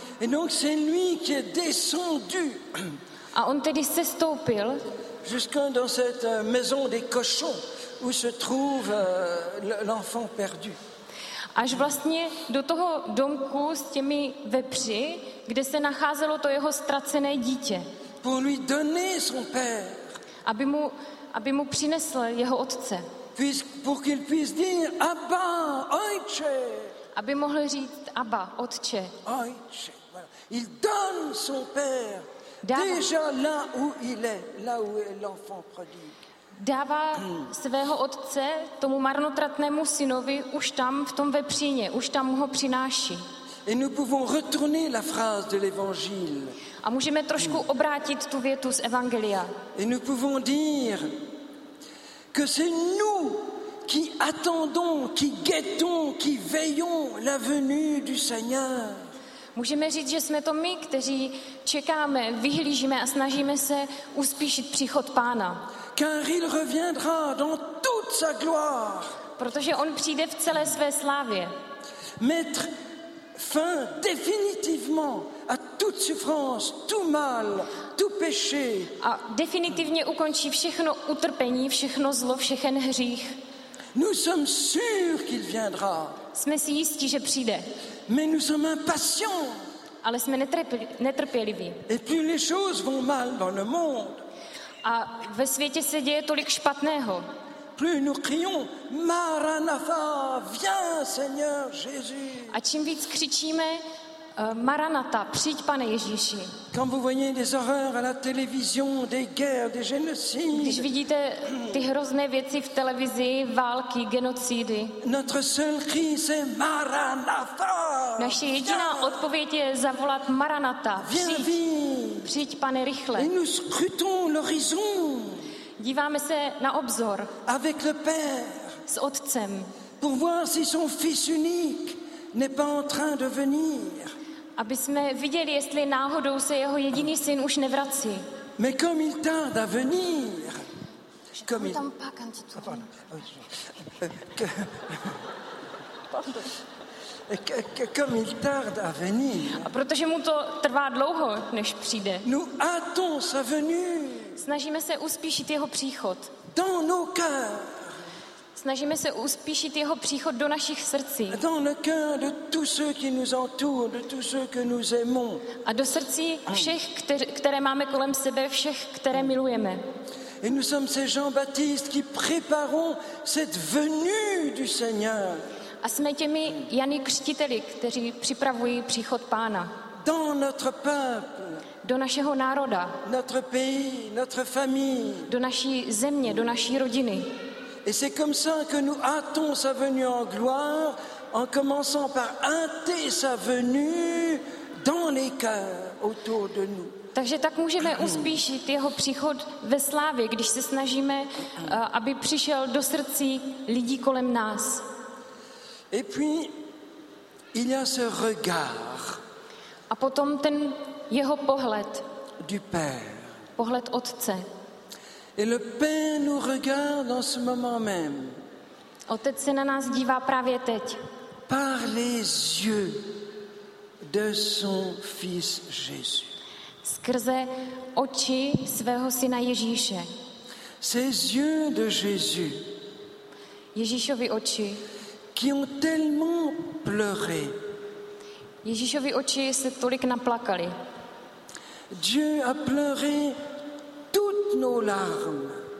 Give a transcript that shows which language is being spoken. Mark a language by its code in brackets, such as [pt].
[fr] Et donc c'est lui qui est descendu. [cs] A on tedy sestoupil. [fr] Jusqu'à dans cette maison des cochons où se trouve l'enfant perdu. [cs] Až vlastně do toho domku s těmi vepři, kde se nacházelo to jeho ztracené dítě. [fr] Pour lui donner son père. [cs] Aby mu přinesl jeho otce. [fr] Pour qu'il puisse dire Abba, Ojče. [cs] Aby mohl říct Abba, Otče. Ojče, voilà. [fr] Il donne son père déjà là où il est, là où est l'enfant prodigue. [cs] Dává svého otce tomu marnotratnému synovi už tam v tom vepříně, už tam ho přináší. [fr] Et nous pouvons retourner la phrase de l'évangile. [cs] A můžeme trošku obrátit tu větu z evangelia. [fr] Et nous pouvons dire que c'est nous qui attendons, qui guettons, qui veillons la venue du Seigneur. [cs] Můžeme říct, že jsme to my, kteří čekáme, vyhlížíme a snažíme se uspíšit příchod Pána. [fr] Car il reviendra dans toute sa gloire. [cs] Protože on přijde v celé své slávě. [fr] Mettre fin définitivement à toute souffrance, tout mal, tout péché. [cs] A definitivně ukončí všechno utrpení, všechno zlo, všechen hřích. [fr] Nous sommes sûrs qu'il viendra. [cs] Jsme si jistí, že přijde. [fr] Mais nous sommes impatients. [cs] Ale jsme netrpěliví. [fr] Et plus les choses vont mal dans le monde. [cs] A ve světě se děje tolik špatného. [fr] Plus nous crions, Maranatha, viens, Seigneur Jésus. [cs] A čím víc křičíme, Maranatha, přijď, Pane Ježíši. [fr] Quand vous voyez des horreurs à la télévision, des guerres, des génocides. [cs] Když vidíte ty hrozné věci v televizi, války, genocidy. [fr] Notre seul cri c'est Maranatha. [cs] Naše jediná odpověď je zavolat Maranatha. Přijď, Pane, rychle. [fr] Et nous scrutons l'horizon. [cs] Díváme se na obzor. [fr] Avec le Père. [cs] S Otcem. [fr] Pour voir si son fils unique n'est pas en train de venir. [cs] Aby jsme viděli, jestli náhodou se jeho jediný syn už nevrací. [fr] Mais comme il tarde à venir. Comme il... Pardon. Comme il tarde à venir. [cs] A protože mu to trvá dlouho, než přijde. [fr] Nous attendons sa venue. [cs] Snažíme se uspíšit jeho příchod. [fr] Dans nos cœurs. [cs] Snažíme se uspíšit jeho příchod do našich srdcí. [fr] Dans le cœur de tous ceux qui nous entourent, de tous ceux que nous aimons. [cs] A do srdcí všech, které máme kolem sebe, všech, které milujeme. [fr] Et nous sommes ces Jean-Baptiste qui préparons cette venue du Seigneur. [cs] A jsme těmi Jany křtiteli, kteří připravují příchod Pána. [fr] Dans notre peuple, [cs] do našeho národa. [fr] Notre pays, notre famille, [cs] do naší země, do naší rodiny. [fr] Et c'est comme ça que nous hâtons sa venue en gloire, en commençant par hâter sa venue dans les cœurs autour de nous. [cs] Takže tak můžeme uspíšit jeho příchod ve slávě, když se snažíme, aby přišel do srdcí lidí kolem nás. [fr] Et puis il y a ce regard. [cs] A potom ten jeho pohled. [fr] Du Père. [cs] Pohled Otce. [fr] Et le Père nous regarde en ce moment même. [cs] Otec se na nás dívá právě teď. [fr] Par les yeux de son fils Jésus. [cs] Skrze oči svého syna Ježíše. [fr] Ses yeux de Jésus. [cs] Ježíšovy oči. [fr] Qui ont tellement pleuré. [cs] Ježíšovy oči se tolik naplakali. [fr] Dieu a pleuré toutes nos larmes.